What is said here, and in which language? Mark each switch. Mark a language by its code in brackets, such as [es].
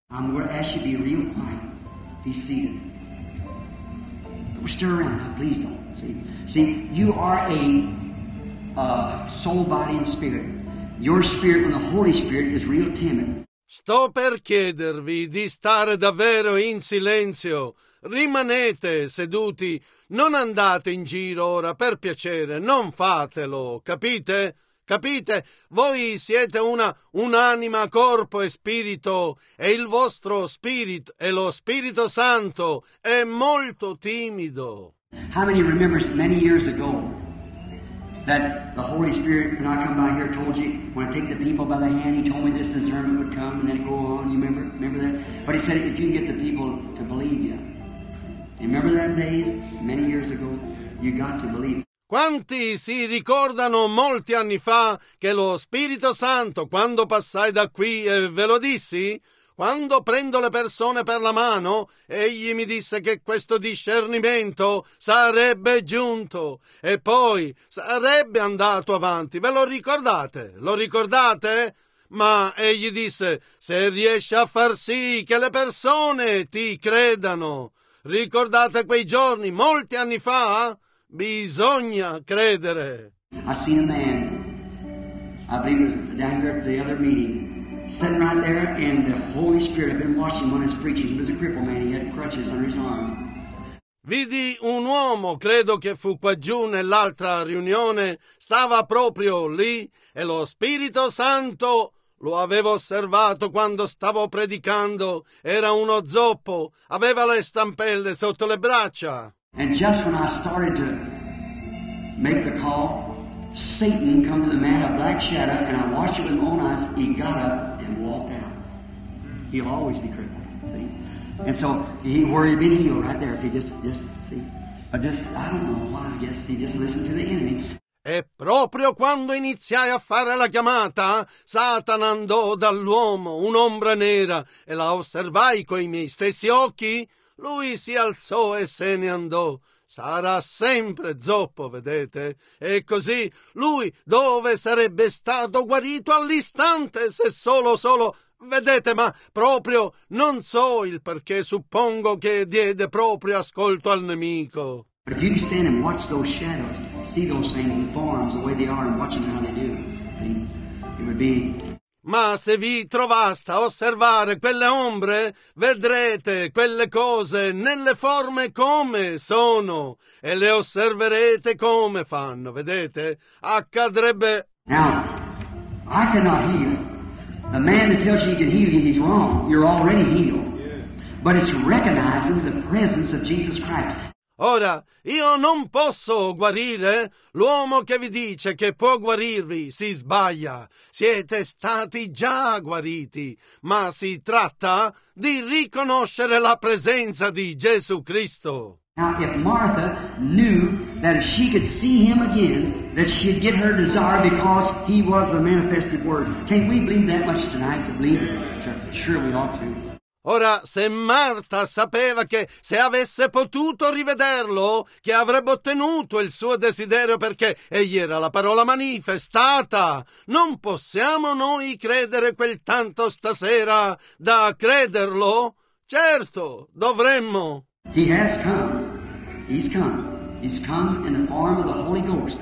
[en] I'm going to ask you to be real quiet. Be seated. I'm stir around now, please don't. See, you are a soul, body, and spirit. Your spirit and the Holy Spirit is real timid. [it] Sto per chiedervi di stare davvero in silenzio. Rimanete seduti. Non andate in giro ora, per piacere. Non fatelo, capite? Capite? Voi siete un'anima, corpo e spirito, e il vostro spirito e lo Spirito Santo è molto timido. [en] How many remembers many years ago that the Holy Spirit, when I come by here, told you, when I take the people by the hand, he told me this discernment would come and then go on. You remember that? But he said, if you can get the people to believe you. Remember that days many years ago? You got to believe. [it] Quanti si ricordano molti anni fa che lo Spirito Santo, quando passai da qui e ve lo dissi? Quando prendo le persone per la mano, egli mi disse che questo discernimento sarebbe giunto e poi sarebbe andato avanti. Ve lo ricordate? Lo ricordate? Ma egli disse, se riesci a far sì che le persone ti credano, ricordate quei giorni, molti anni fa? Bisogna credere. [en] I see a man, I believe it was down here at the other meeting, sitting right there, and the Holy Spirit had been watching when he was preaching. He was a crippled man, he had crutches under his arms. [it] Vidi un uomo, credo che fu qua giù nell'altra riunione, stava proprio lì, e lo Spirito Santo lo aveva osservato quando stavo predicando. Era uno zoppo, aveva le stampelle sotto le braccia. [en] And just when I started to make the call, Satan came to the man, a black shadow, and I watched it with my own eyes. He got up and walked out. He'll always be crippled, see? And so he worried he'd been healed right there if he just see? But I don't know why, I guess he just listened to the enemy. [it] E proprio quando iniziai a fare la chiamata, Satana andò dall'uomo, un'ombra nera, e la osservai coi miei stessi occhi. Lui si alzò e se ne andò. Sarà sempre zoppo, vedete? E così lui dove sarebbe stato guarito all'istante se solo, vedete, ma proprio non so il perché, suppongo che diede proprio ascolto al nemico. [en] But if you can stand and watch those shadows, see those things and forms the way they are and watching how they do, it would be... [it] Ma se vi trovaste a osservare quelle ombre, vedrete quelle cose nelle forme come sono e le osserverete come fanno, vedete? Accadrebbe. [en] Now, I cannot heal. The man that tells you he can heal you, he's wrong. You're already healed. But it's recognizing the presence of Jesus Christ. [it] Ora, io non posso guarire. L'uomo che vi dice che può guarirvi si sbaglia. Siete stati già guariti, ma si tratta di riconoscere la presenza di Gesù Cristo. [en] Now, if Martha knew that if she could see him again, that she'd get her desire because he was the manifested word. Can't we believe that much tonight? To believe it? Sure, we ought to. [it] Ora, se Marta sapeva che se avesse potuto rivederlo, che avrebbe ottenuto il suo desiderio perché egli era la parola manifestata, non possiamo noi credere quel tanto stasera da crederlo? Certo, dovremmo. [en] He has come. He's come. He's come in the form of the Holy Ghost.